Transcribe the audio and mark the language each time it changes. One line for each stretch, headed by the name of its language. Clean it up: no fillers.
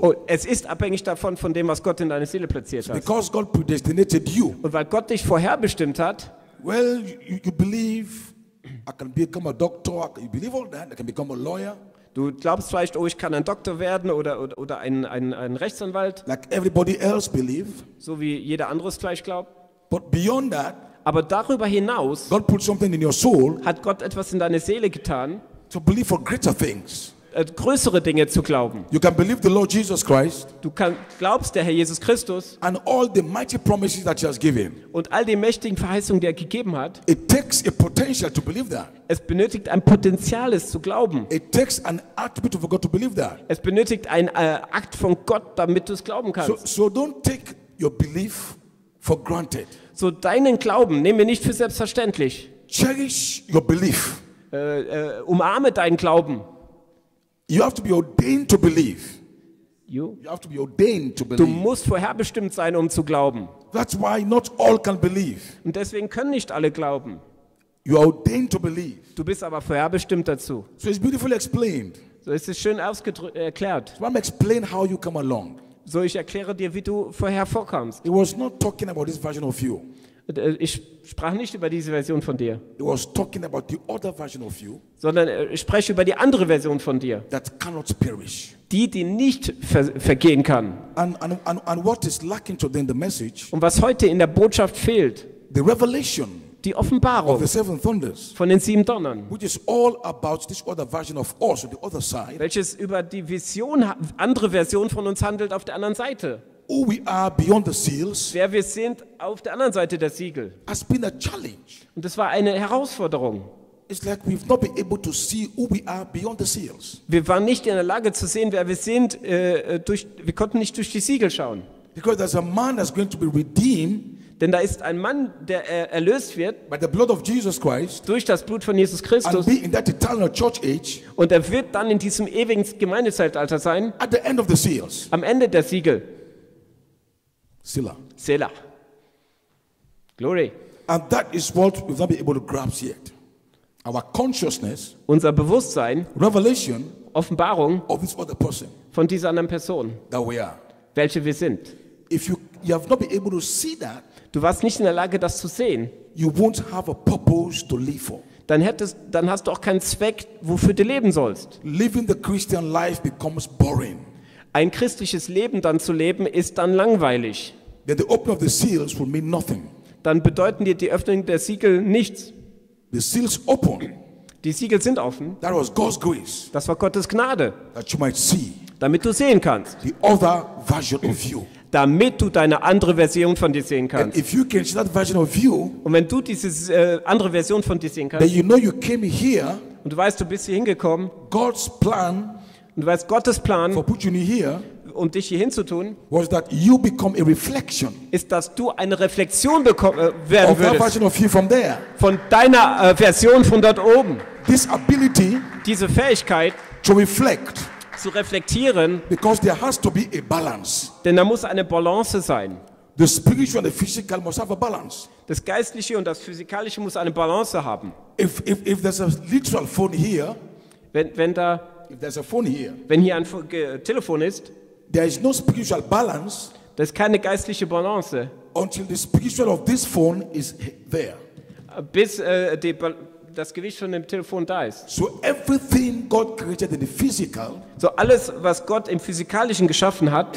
German: Oh, es ist abhängig davon, von dem, was Gott in deine Seele platziert hat.
English: Because God predestinated you.
German: Und weil Gott dich vorherbestimmt hat.
English: Well, you believe I can become a doctor. You believe all that. I can become a lawyer.
German: Du glaubst vielleicht, oh, ich kann ein Doktor werden oder ein Rechtsanwalt.
English: Like everybody else believe.
German: So wie jeder andere es vielleicht glaubt.
English: But beyond that.
German: Aber darüber hinaus.
English: God put something in your soul.
German: Hat Gott etwas in deine Seele getan.
English: To believe for greater things.
German: Größere Dinge zu glauben.
English: You can believe the Lord Jesus Christ.
German: Du glaubst der Herr Jesus Christus.
English: And all the mighty promises that he has given.
German: Und all die mächtigen Verheißungen, die er gegeben hat.
English: It takes a potential to believe that.
German: Es benötigt ein Potenzial, es zu glauben.
English: It takes an attribute of God to believe that.
German: Es benötigt ein Akt von Gott, damit du es glauben kannst.
English: So don't take your belief for granted.
German: So deinen Glauben nehme nicht für selbstverständlich.
English: Cherish your belief.
German: Umarme deinen Glauben.
English: You have to be ordained to believe. You have to be ordained to believe.
German: Du musst vorherbestimmt sein, um zu glauben.
English: That's why not all can believe.
German: Und deswegen können nicht alle glauben.
English: You are ordained to believe.
German: Du bist aber vorherbestimmt dazu.
English: So it's beautifully explained.
German: So ist es schön erklärt.
English: So I'm explaining how you come along.
German: So ich erkläre dir, wie du vorher vorkommst.
English: He was not talking about this version of you.
German: Ich sprach nicht über diese Version von dir.
English: He was talking about the other version of you.
German: Sondern ich spreche über die andere Version von dir.
English: That cannot perish.
German: Die nicht vergehen kann.
English: And what is lacking to them, the message?
German: Und was heute in der Botschaft fehlt?
English: The revelation.
German: die Offenbarung
English: of the seven thunders,
German: von den sieben Donnern,
English: which is all about this other version of us on the other side,
German: welches über die Vision, andere Version von uns handelt auf der anderen Seite.
English: Who we are beyond the seals,
German: wer wir sind auf der anderen Seite der Siegel,
English: has been a challenge.
German: Und das war eine Herausforderung.
English: It's like we've not been able to see who we are beyond the seals.
German: Wir waren nicht in der Lage zu sehen, wer wir sind. Wir konnten nicht durch die Siegel schauen.
English: Because there's a man that's going to be redeemed.
German: Denn da ist ein Mann, der erlöst wird.
English: By the blood of Jesus Christ.
German: Durch das Blut von Jesus Christus.
English: And be in that eternal church age.
German: Und wird dann in diesem ewigen Gemeindezeitalter sein.
English: At the end of the seals.
German: Am Ende der Siegel. Selah.
English: Selah. Glory. And that is what we've not been able to grasp yet. Our consciousness,
German: unser Bewusstsein,
English: Revelation,
German: Offenbarung
English: of this other person,
German: von dieser anderen Person,
English: that we are,
German: welche wir sind.
English: If you have not been able to see that,
German: du warst nicht in der Lage, das zu sehen,
English: you won't have a purpose to live for.
German: Dann hast du auch keinen Zweck, wofür du leben sollst.
English: Living the Christian life becomes boring.
German: Ein christliches Leben dann zu leben, ist dann langweilig.
English: Then the opening of the seals will mean nothing.
German: Dann bedeuten dir die Öffnung der Siegel nichts.
English: The seals open.
German: Die Siegel sind offen.
English: That was God's grace.
German: Das war Gottes Gnade.
English: That you might see.
German: Damit du sehen kannst.
English: The other version of you.
German: Damit du deine andere Version von dir sehen kannst.
English: And if you can see that version of you.
German: Und wenn du diese andere Version von dir sehen kannst.
English: Then you know you came here.
German: Und du weißt, du bist hier hingekommen.
English: God's plan.
German: Und du weißt, Gottes Plan.
English: For putting you here.
German: Um dich hier hinzutun,
English: was that you become a reflection,
German: ist, dass du eine Reflexion werden würdest
English: version of you from there.
German: Von deiner Version von dort oben.
English: This ability,
German: diese Fähigkeit
English: to reflect,
German: zu reflektieren,
English: because there has to be a balance.
German: Denn da muss eine Balance sein.
English: The spiritual and the physical must have a balance.
German: Das Geistliche und das Physikalische muss eine Balance haben.
English: If there's a literal phone here,
German: wenn hier ein Telefon ist,
English: there is no spiritual balance.
German: Das ist keine geistliche Balance.
English: Until the spiritual of this phone is there.
German: Bis das Gewicht von dem Telefon da ist.
English: So everything God created in the physical.
German: So alles, was Gott im Physikalischen geschaffen hat.